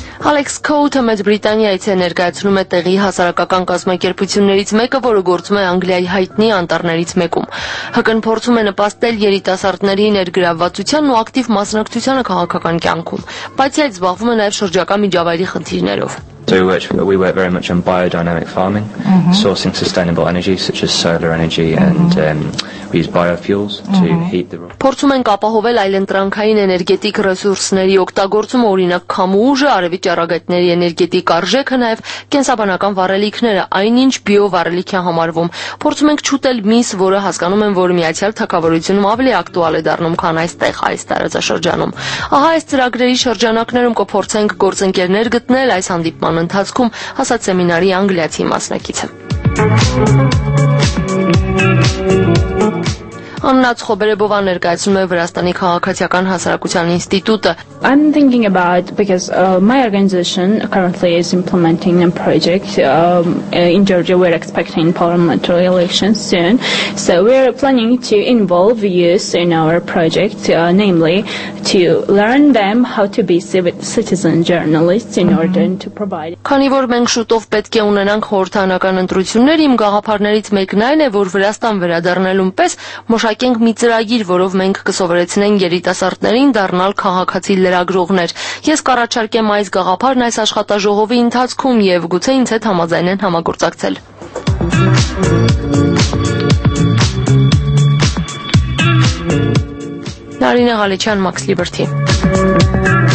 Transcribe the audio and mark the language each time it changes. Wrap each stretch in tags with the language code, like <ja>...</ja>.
<hy>Alex Coulter-ը մեծ Բրիտանիայից է ներկայացնում է տեղի հասարակական կազմակերպություններից մեկը, որը գործում է Անգլիայի հայտնի անտառներից մեկում։ ՀԿ-ն փորձում է նպաստել երիտասարդների ներգրավվածության ու ակտիվ մասնակցությանը քաղաքական կյանքում, բացի այդ զբաղվում է նաև շրջակա միջավայրի խնդիրներով։</hy> <en>So we work very much on biodynamic farming, sourcing sustainable energy such as solar energy and we use biofuels to heat the rock.</en> <hy>Փորձում ենք ապահովել այլընտրանքային էներգետիկ ռեսուրսների օգտագործումը, օրինակ քամուուժը, արևիջ առագայթների էներգետիկ արժեքը, նաև կենսաբանական վառելիքները, այնինչ բիովառելիքի համարվում։ Փորձում ենք չուտել միս, որը հասկանում են, որ միացյալ թակավարությունում ավելի ակտուալ է դառնում, քան այստեղ այս տարածաշրջանում։ Ահա այս ծրագրերի շրջանակներում կփորձենք գործընկերներ գտնել այս հանդիպ ման ընթացքում, ասաց սեմինարի անգլիացի մասնակիցը։ Աննաց Խոբերեբովա ներկայացնում է Վրաստանի քաղաքացիական հասարակության ինստիտուտը։</hy> <en>I'm thinking about because my organization currently is implementing a project in Georgia. We're expecting parliamentary elections soon, so we are planning to involve youth in our project, namely to learn them how to be citizen journalists in order to provide.</en> <hy>Քանի որ մենք շուտով պետք է ունենանք խորհրդանական ընտրություններ, իմ գաղափարներից մեկն այն է, որ Վրաստան վերադառնալուն պես մշակենք մի ծրագիր, որով մենք կսովորեցնենք երիտասարդներին դառնալ քաղաքացի լրագրողներ։ Ես կարաչարկեմ այս գաղափարն այս աշխատաժողովի ընթացքում և գուցե ինձ հետ համաձայնեն համագործակցել։ Նարինե Ղալիչյան, Max Liberty.</hy>